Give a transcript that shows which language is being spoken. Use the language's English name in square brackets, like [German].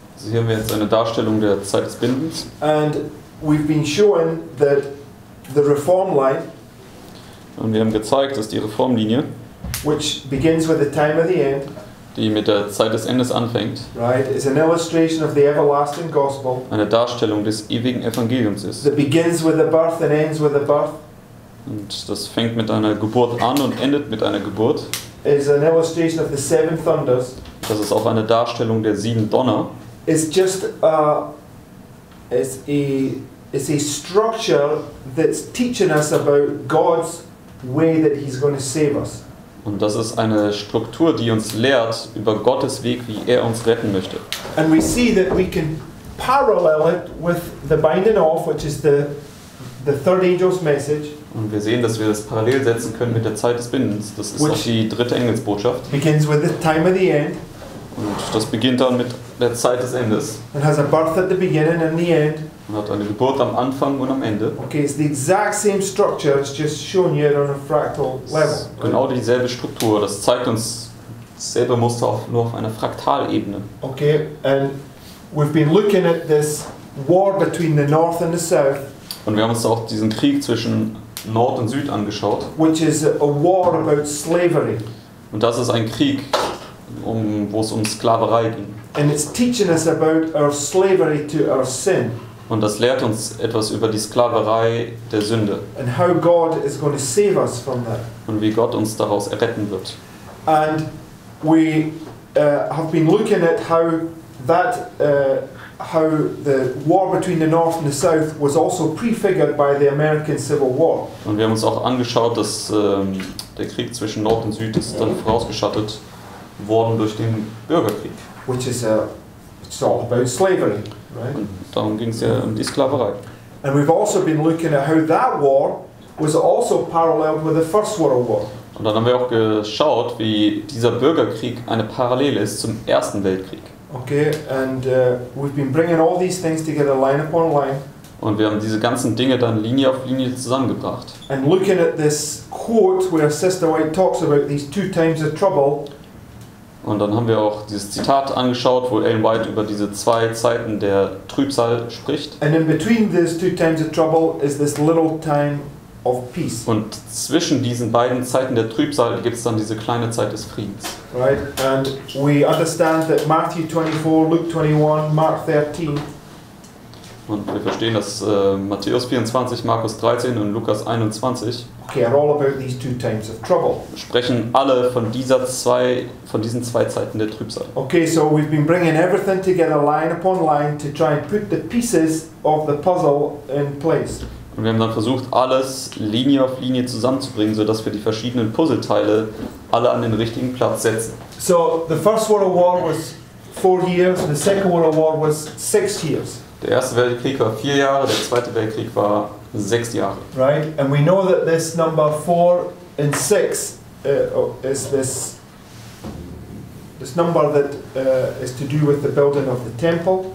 [German] Also hier haben wir jetzt eine Darstellung der Zeit des Bindens. [English] And we've been showing that the reform line, [German] und wir haben gezeigt, dass die Reformlinie, [English] which begins with the time of the end, [German] die mit der Zeit des Endes anfängt, [English] right, is an illustration of the everlasting gospel, [German] eine Darstellung des ewigen Evangeliums ist, [English] that begins with a birth and ends with a birth, [German] und das fängt mit einer Geburt an und endet mit einer Geburt, [English] is an illustration of the seven thunders, [German] das ist auch eine Darstellung der sieben Donner. [English] It's a structure that's teaching us about God's way that He's going to save us. [German] Und das ist eine Struktur, die uns lehrt über Gottes Weg, wie uns retten möchte. [English] And we see that we can parallel it with the binding off, which is the third angel's message. [German] Und wir sehen, dass wir das parallel setzen können mit der Zeit des Bindens. Das ist auch die dritte Engelsbotschaft. [English] Begins with the time of the end. [German] Und das beginnt dann mit der Zeit des Endes. [English] It has a birth at the beginning and the end. [German] Und hat eine Geburt am Anfang und am Ende. [English] Okay, it's the exact same structure, it's just shown here on a fractal level. Right? [German] Genau dieselbe Struktur, das zeigt uns selbe Muster auf, nur auf einer Fraktalebene. [English] Okay, and we've been looking at this war between the north and the south. [German] Und wir haben uns auch diesen Krieg zwischen Nord und Süd angeschaut. [English] Which is a war about slavery. [German] Und das ist ein Krieg, wo es Sklaverei ging. [English] And it's teaching us about our slavery to our sin. [German] Und das lehrt uns etwas über die Sklaverei der Sünde. [English] And how God is going to save us from that. [German] Und wie Gott uns daraus erretten wird. [English] And we have been looking at how that how the war between the North and the South was also prefigured by the American Civil War. [German] Und wir haben uns auch angeschaut, dass der Krieg zwischen Nord und Süd ist dann vorausgeschattet worden durch den Bürgerkrieg. [English] Which is it's all about slavery, right? [German] Und darum ging es ja um die Sklaverei. [English] And we've also been looking at how that war was also paralleled with the First World War. [German] Und dann haben wir auch geschaut, wie dieser Bürgerkrieg eine Parallele ist zum Ersten Weltkrieg. [English] Okay, and we've been bringing all these things together line upon line. [German] Und wir haben diese ganzen Dinge dann Linie auf Linie zusammengebracht. [English] And looking at this quote where Sister White talks about these two times of trouble. [German] Und dann haben wir auch dieses Zitat angeschaut, wo Ellen White über diese zwei Zeiten der Trübsal spricht. [English] And in between these two times of trouble is this little time of peace. [German] Und zwischen diesen beiden Zeiten der Trübsal gibt es dann diese kleine Zeit des Friedens. [English] Right, and we understand that Matthew 24, Luke 21, Mark 13. [German] Und wir verstehen, dass Matthäus 24, Markus 13 und Lukas 21 [English] okay, are all about these two times of trouble. [German] Sprechen alle von dieser zwei, von diesen zwei Zeiten der Trübsal. [English] Okay, so we've been bringing everything together line upon line to try and put the pieces of the puzzle in place. [German] Und wir haben dann versucht, alles Linie auf Linie zusammenzubringen, sodass wir die verschiedenen Puzzleteile alle an den richtigen Platz setzen. [English] So, the First World War was 4 years, and the Second World War was 6 years. [German] Der Erste Weltkrieg war 4 Jahre, der Zweite Weltkrieg war 6 Jahre. [English] Right, and we know that this number 4 and 6 is this this number that is to do with the building of the temple.